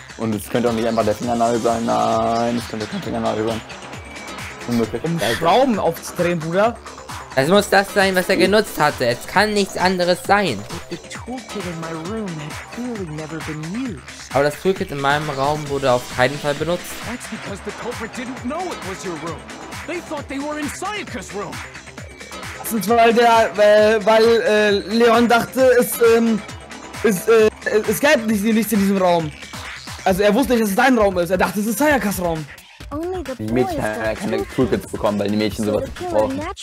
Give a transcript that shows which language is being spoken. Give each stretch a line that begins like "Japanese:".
German: Und es könnte auch nicht einfach der Fingernagel sein. Nein, es könnte kein Fingernagel sein. Unmöglich. Um Schrauben aufzudrehen, Bruder. Das muss das sein, was er genutzt hatte. Es kann nichts anderes sein. Aber das Toolkit in meinem Raum wurde auf keinen Fall benutzt.
English: That's because the culprit didn't know it was your room. They thought they were in Sayaka's room.
German: Das ist, weil Leon dachte, es gäbe nichts in diesem Raum. Also er wusste nicht, dass es dein Raum ist. Er dachte, es ist Sayakas Raum. Die Mädchen haben ja keine Toolkits bekommen, weil die Mädchen sowas brauchen.